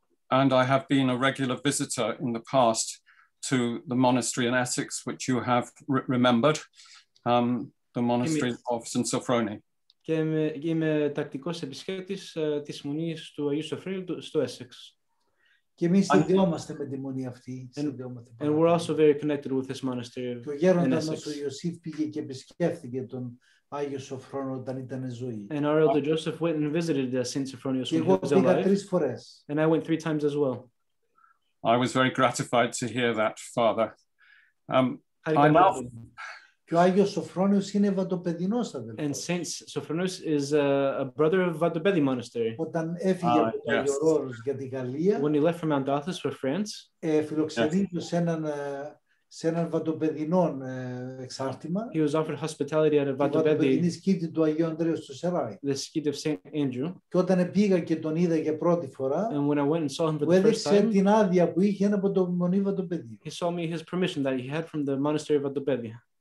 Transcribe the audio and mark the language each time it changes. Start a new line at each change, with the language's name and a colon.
English: And I have been a regular visitor in the past to the monastery in Essex, which you have remembered, the monastery of St. Sophroni.
Greek: Και είμαι τακτικός επισκέπτης της μονής του Αγίου Σοφρόνιου στο Essex. Και εμείς συνδυόμαστε με τη μονή αυτή.
English: And we're also very connected with this monastery.
Greek: Το γέροντα μας ο Ιωσήφ πήγε και επισκέφθηκε τον Άγιο Σοφρόνο όταν ήταν ζωή.
English: And our elder Joseph went and visited the Saint Sophronius when he was alive.
Greek: Εγώ πήγα τρεις φορές.
English: And I went 3 times as well. I was very gratified to hear that, Father.
Greek: Και ο Άγιος Σοφρόνιος είναι βατοπεδινός αδελφός.
English: And Saint Sophronius is a brother of Vatopedi Monastery.
Greek: Όταν έφυγε από τον Άγιο Όρος για τη Γαλλία.
English: When he left from Mount Athos for France.
Greek: Φιλοξενήθηκε σε έναν βατοπεδινό εξάρτημα.
English: He was offered hospitality at a Vatopedi.
Greek: Την σκήτη του Αγίου Ανδρέου στο Σεράι.
English: The skit of Saint Andrew.
Greek: Και όταν πήγα και τον είδα για πρώτη φορά.
English: And when I went and saw him for the first time.
Greek: Την άδεια που είχε από το μονή Βατοπεδί.
English: He saw me his permission that he had from the monastery of Vatopedi.